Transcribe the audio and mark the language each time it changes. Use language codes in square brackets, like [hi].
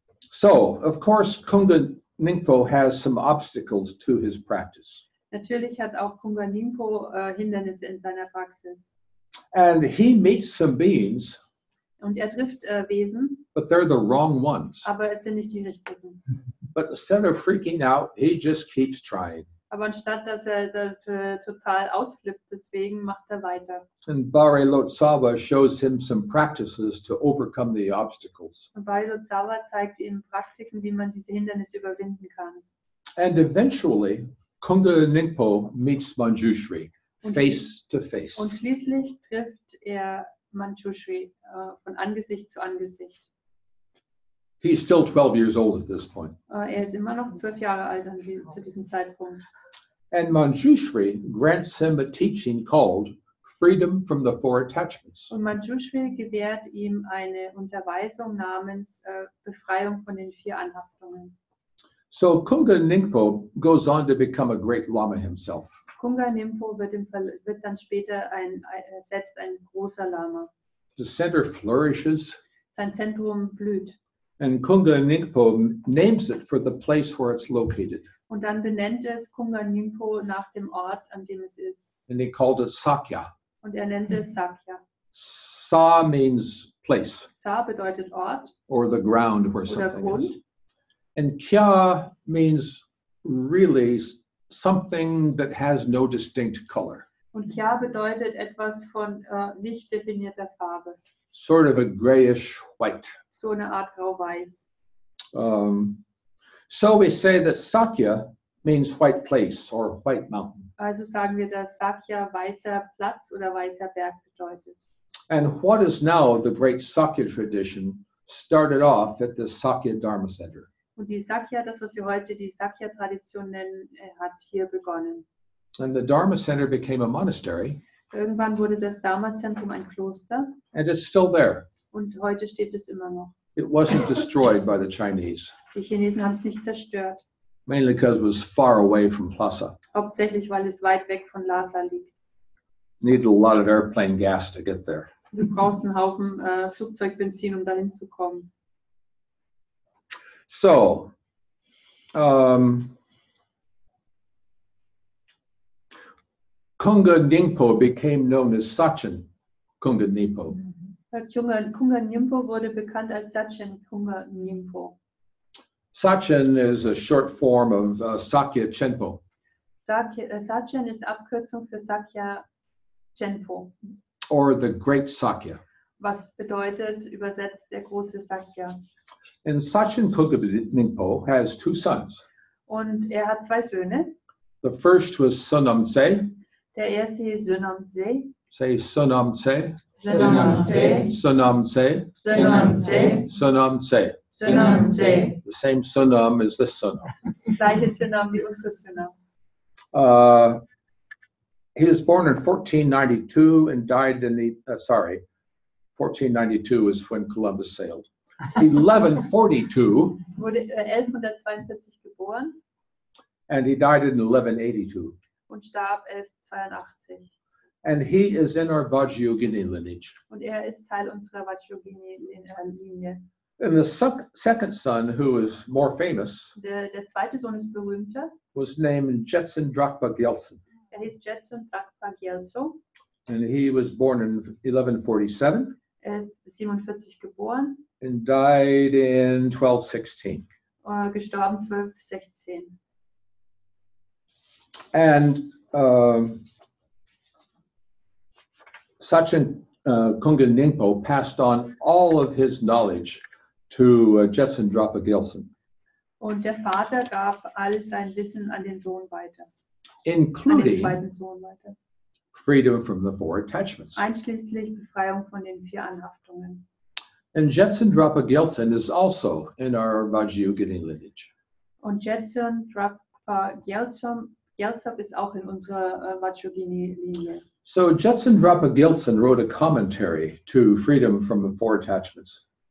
[en] So, of course, Kungan Ningpo has some obstacles to his practice. [de] Natürlich hat auch Kungan Ningpo Hindernisse in seiner Praxis. [en] And he meets some beings. [de] Und er trifft Wesen. [en] But they're the wrong ones. [de] Aber es sind nicht die richtigen. [en] But instead of freaking out, he just keeps trying. [de] Aber anstatt dass er total ausflippt, deswegen macht er weiter. [en] And Bari Lotsawa shows him some practices to overcome the obstacles. [de] Und Bari Lotsawa zeigt ihm Praktiken, wie man diese Hindernisse überwinden kann. [en] And eventually, Kunga Ningpo meets Manjushri face to face. [de] Und schließlich trifft er Manjushri von Angesicht zu Angesicht. [en] He's still 12 years old at this point. [de] Er ist immer noch 12 Jahre alt zu diesem Zeitpunkt. [en] And Manjushri grants him a teaching called Freedom from the Four Attachments. [de] Und Manjushri gewährt ihm eine Unterweisung namens Befreiung von den vier Anhaftungen. [en] So Kunga Ningpo goes on to become a great Lama himself. [de] Kunga Ningpo wird dann später selbst ein großer Lama. [en] The center flourishes. [de] Sein Zentrum blüht. [en] And Kunga Ningpo names it for the place where it's located. [de] Und dann benennt es Kunga Ningpo nach dem Ort, an dem es ist. [en] And he called it Sakya. [de] Und er nennt es Sakya. [en] Sa means place. [de] Sa bedeutet Ort. [en] Or the ground where something [de] Grund. [en] Is. And Kya means really something that has no distinct color. [de] Und Kya bedeutet etwas von nicht definierter Farbe. [en] Sort of a grayish white. [de] So eine Art grau-weiß. [en] So we say that Sakya means white place or white mountain. [de] Also sagen wir, dass Sakya weißer Platz oder weißer Berg bedeutet. [en] And what is now the great Sakya tradition started off at the Sakya Dharma Center. [de] Und die Sakya, das was wir heute die Sakya-Tradition nennen, hat hier begonnen. [en] And the Dharma Center became a monastery. [de] Irgendwann wurde das Dharma-Zentrum ein Kloster. [en] And it's still there. [de] Und heute steht es immer noch. [en] It wasn't destroyed by the Chinese. [de] Die Chinesen haben es nicht zerstört. [en] Mainly because it was far away from Lhasa. [de] Hauptsächlich, weil es weit weg von Lhasa liegt. [en] Needed a lot of airplane gas to get there. [de] Du brauchst einen Haufen Flugzeugbenzin, um dahin zu kommen. [en] So, Kunga Nyingpo became known as Sachin Kunga Nyingpo. [de] Kunga Nyingpo wurde bekannt als Sachin Kunga Nyingpo. [en] Sachin is a short form of Sakya Chenpo. [de] Sachin ist Abkürzung für Sakya Chenpo. [en] Or the Great Sakya. [de] Was bedeutet übersetzt der große Sakya? [en] And Sachin Kunga Nyingpo has two sons. [de] Und er hat zwei Söhne. [en] The first was Sonam Tse. [de] Der erste ist Sonam Tse. [en] Say Sonam Tse. Sonam Tse. Sonam Tse. Sonam Tse. Sonam Tse. Sonam Tse. The same Sonam as this Sonam. [de] Gleiche Sonam wie unser Sonam. [en] He was born in 1492 and died in the 1492 is when Columbus sailed. [de] 1142. Wurde 1142 geboren. [en] And he died in 1182. [de] Und starb 1182. [en] And he is in our Vajrayogini lineage. [de] Und er ist Teil unserer Vajrayogini Linie. [en] And the second son, who is more famous, [de] der zweite Sohn ist berühmter, [en] was named Jetsun Drakpa Gyaltsen. [de] Er ist Jetsun Drakpa Gyaltsen. [en] And he was born in 1147. [de] Er ist 47 geboren. [en] And died in 1216. [de] Gestorben 1216. [en] And Sachin Kunga Nyingpo passed on all of his knowledge to Jetsun Drakpa Gyaltsen. [de] Und der Vater gab all sein Wissen an den Sohn weiter. [en] Including [de] an den zweiten Sohn weiter. [en] Freedom from the four attachments. [de] Einschließlich Befreiung von den vier Anhaftungen. [en] And Jetsun Drakpa Gyaltsen is also in our Vajrayogini lineage. [de] Und Jetsun Drakpa Gyaltsen ist auch in unserer Vajrayogini Linie. [en] So Jetsun Drakpa Gyaltsen wrote a commentary to Freedom from the Four Attachments.